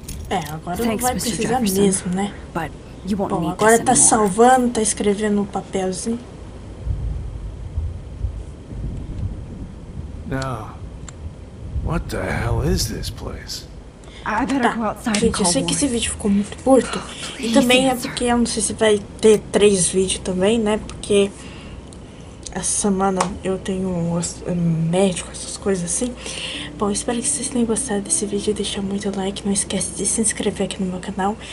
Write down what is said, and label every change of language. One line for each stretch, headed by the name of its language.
Portuguese: É, agora não vai precisar mesmo, né?
English: But you won't
Portuguese: Bom, agora tá salvando, tá escrevendo um papelzinho.
English: Now, what the hell is this place?
Portuguese: Gente, eu sei que esse vídeo ficou muito curto. Oh, e também é porque eu não sei se vai ter três vídeos também, né? Porque essa semana eu tenho um médico, essas coisas assim. Bom, espero que vocês tenham gostado desse vídeo. Deixa muito like. Não esquece de se inscrever aqui no meu canal.